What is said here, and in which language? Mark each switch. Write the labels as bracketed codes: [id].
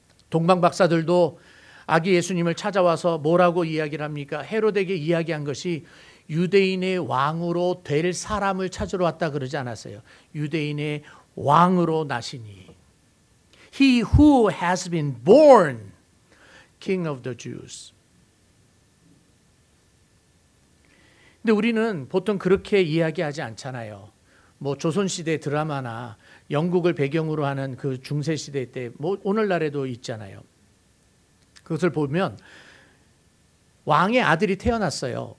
[ko] 동방 박사들도 아기 예수님을 찾아와서 뭐라고 이야기를 합니까? 헤롯에게 이야기한 것이 유대인의 왕으로 될 사람을 찾으러 왔다 그러지 않았어요. 유대인의 왕으로 나시니. [en] He who has been born king of the Jews. [ko] 근데 우리는 보통 그렇게 이야기하지 않잖아요. 뭐 조선시대 드라마나 영국을 배경으로 하는 그 중세시대 때 뭐 오늘날에도 있잖아요. 그것을 보면 왕의 아들이 태어났어요.